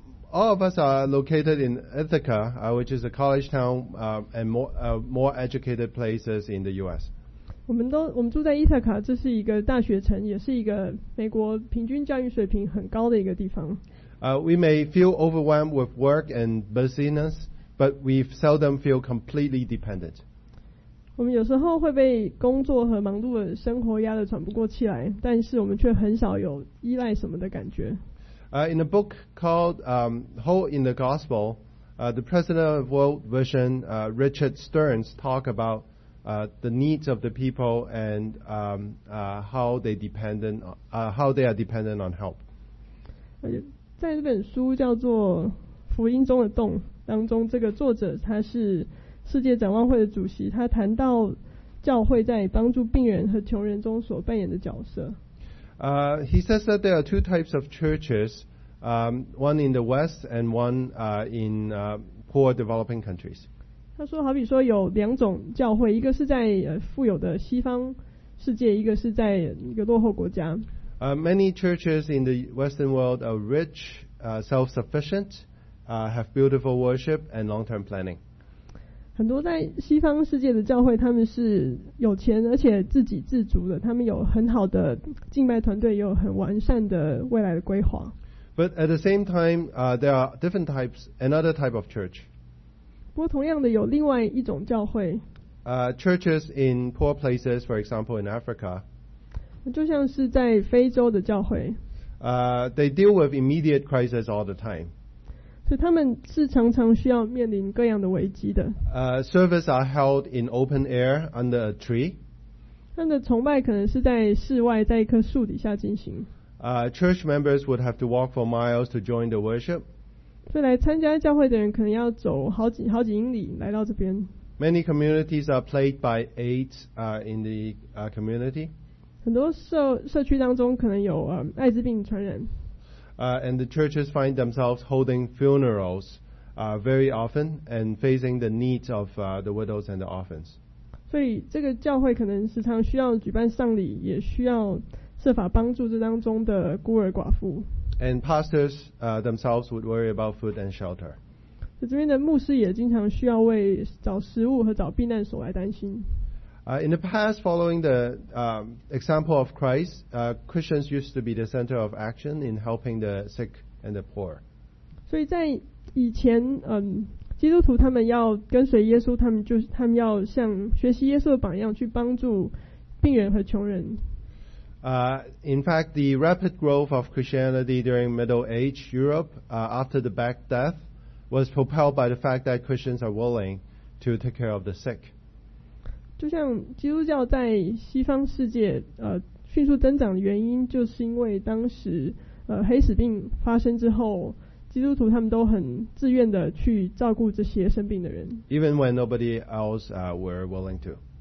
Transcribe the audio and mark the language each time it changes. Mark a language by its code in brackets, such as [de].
[en] All of us are located in Ithaca, which is a college town, and more educated places in the U.S. [zh] 我们住在伊塔卡，这是一个大学城，也是一个美国平均教育水平很高的一个地方。 [en] We may feel overwhelmed with work and busyness. But we seldom feel completely dependent. [zh] 我们有时候会被工作和忙碌的生活压得喘不过气来，但是我们却很少有依赖什么的感觉。 [en] In a book called Hope in the Gospel, the president of World Vision, Richard Stearns, talk about the needs of the people and how they are dependent on help. [zh] 在这本书叫做《福音中的洞》。当中这个作者他是世界展望会的主席，他谈到教会在帮助病人和穷人中所扮演的角色。 [en] He says that there are two types of churches, one in the West and one in poor developing countries. [zh] 他说好比说有两种教会，一个是在富有的西方世界，一个是在一个落后国家。 [en] Many churches in the Western world are rich, self-sufficient,have beautiful worship and long-term planning. [zh] 很多在西方世界的教会，他们是有钱而且自给自足的，他们有很好的敬拜团队，也有很完善的未来的规划。 [en] But at the same time, there are different types, another type of church. [zh] 不过同样的，有另外一种教会。 [en] Churches in poor places, for example, in Africa. [zh] 就像是在非洲的教会。 [en] They deal with immediate crisis all the time. [zh] 所以他们是常常需要面临各样的危机的。 [en] Service are held in open air under a tree. [zh] 他们的崇拜可能是在室外，在一棵树底下进行。 [en] Church members would have to walk for miles to join the worship. [zh] 所以来参加教会的人可能要走好几英里来到这边。 [en] Many communities are plagued by AIDS in the community. [zh] 很多社区当中可能有艾滋病传染。 [en] And the churches find themselves holding funerals very often and facing the needs of the widows and the orphans. [zh] 所以这个教会可能时常需要举办丧礼，也需要设法帮助这当中的孤儿寡妇。 [en] And pastors themselves would worry about food and shelter. [zh] 这边的牧师也经常需要为找食物和找避难所来担心。 [en] In the past, following the example of Christ, Christians used to be the center of action in helping the sick and the poor. [zh] 所以在以前，基督徒他们要跟随耶稣，他们要像学习耶稣的榜样去帮助病人和穷人。 [en] In fact, the rapid growth of Christianity during Middle Age Europe, after the Black Death, was propelled by the fact that Christians are willing to take care of the sick. [zh] 就像基督教在西方世界迅速增长的原因，就是因为当时黑死病发生之后，基督徒他们都很自愿的去照顾这些生病的人。 [en] Even when nobody else were willing to.